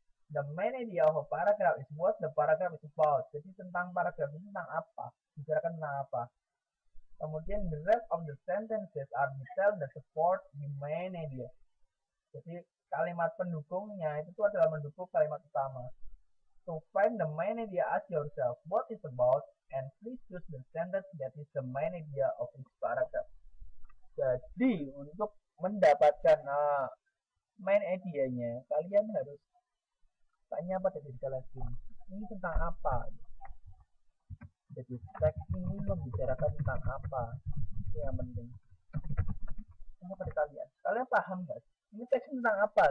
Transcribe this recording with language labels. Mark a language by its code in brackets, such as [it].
[en] The main idea of a paragraph is what the paragraph is about. [id] Jadi tentang paragraph ini tentang apa? [en] Bicarakan tentang apa? depan detail the support demand-nya dia. [id] Jadi kalimat pendukungnya itu tuh adalah mendukung kalimat utama. [en] To find the main idea, ask yourself what it's about and please use the sentence that is the main idea of each paragraph. [id] Jadi untuk mendapatkan main idea-nya, kalian harus tanya pada diri kalian sendiri, ini tentang apa? Jadi teks ini membicarakan tentang apa? Itu yang penting. Tanya pada kalian, kalian paham nggak? Ini teks tentang apa?